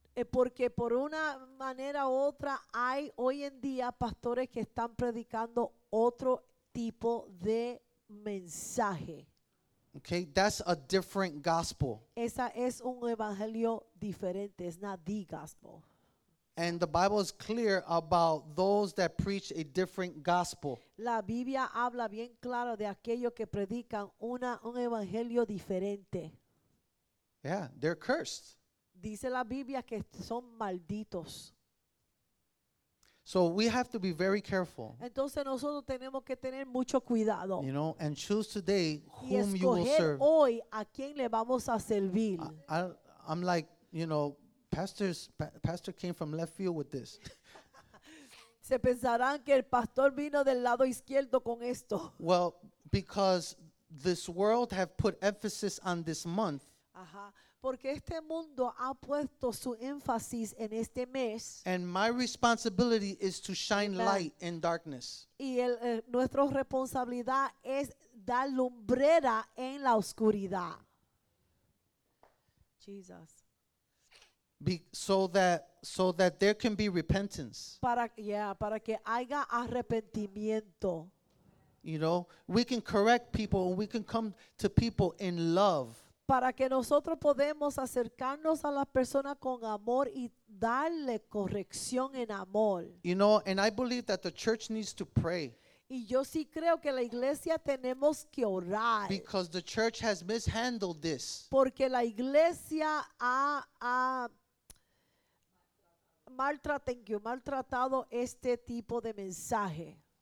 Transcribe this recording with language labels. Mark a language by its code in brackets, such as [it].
[es] Porque por una manera u otra hay hoy en día pastores que están predicando otro tipo de mensaje. [en] Okay, that's a different gospel. [es] Esa es un evangelio diferente, es [en] not the gospel. And the Bible is clear about those that preach a different gospel. [es] La Biblia habla bien claro de aquellos que predican un evangelio diferente. [en] Yeah, they're cursed. [es] Dice la Biblia que son malditos. [en] So we have to be very careful. [es] Entonces nosotros tenemos que tener mucho cuidado. [en] You know, and choose today whom you will serve. [es] Y escoger hoy a quién le vamos a servir. [en] I'm like, you know, pastor came from left field with this. [es] Se pensarán que el pastor vino del lado izquierdo con esto. [en] Well, because this world have put emphasis on this month. Ajá. [es] Porque este mundo ha puesto su énfasis en este mes. [en] And my responsibility is to shine light in darkness. [es] Y nuestra responsabilidad es dar lumbrera en la oscuridad. [en] Jesus. So that there can be repentance. [es] Para que haya arrepentimiento. [en] You know, we can correct people and we can come to people in love. [es] Para que nosotros podamos acercarnos a las personas con amor y darle corrección en amor. [en] You know, and I believe that the church needs to pray. [es] Y yo sí creo que la iglesia tenemos que orar. [en] Because the church has mishandled this. [es] Porque la iglesia ha maltratado este tipo de mensaje.